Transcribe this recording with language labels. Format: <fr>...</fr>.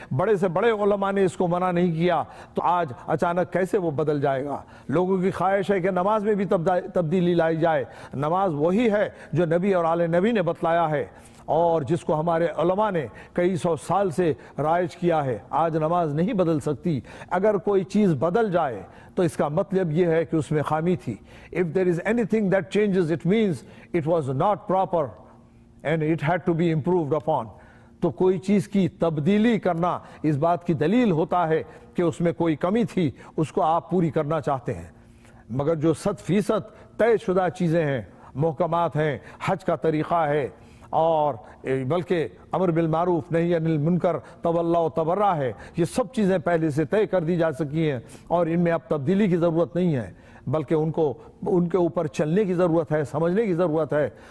<ur>بڑے سے بڑے علماء نے اس کو منع نہیں کیا, تو آج اچانک کیسے وہ بدل جائے گا؟ لوگوں کی خواہش ہے کہ نماز میں بھی تبدیلی لائی جائے. نماز وہی ہے جو نبی اور آل نبی نے بتلایا ہے, اور جس کو ہمارے علماء نے کئی سو سال سے رائج کیا ہے. آج نماز نہیں بدل سکتی. اگر کوئی چیز بدل جائے تو اس کا مطلب یہ ہے کہ اس میں خامی تھی.</ur> <en>If there is anything that changes, it means it was not proper and it had to be improved upon.</en> <ur>تو کوئی چیز کی تبدیلی کرنا اس بات کی دلیل ہوتا ہے کہ اس میں کوئی کمی تھی, اس کو آپ پوری کرنا چاہتے ہیں. مگر جو 100% طے شدہ چیزیں ہیں, محکمات ہیں, حج کا طریقہ ہے, اور بلکہ امر بالمعروف نہی عن المنکر, تولا و تبرا ہے, یہ سب چیزیں پہلے سے طے کر دی جا سکی ہیں اور ان میں اب تبدیلی کی ضرورت نہیں ہے, بلکہ ان کے اوپر چلنے کی ضرورت ہے, سمجھنے کی ضرورت ہے.</ur>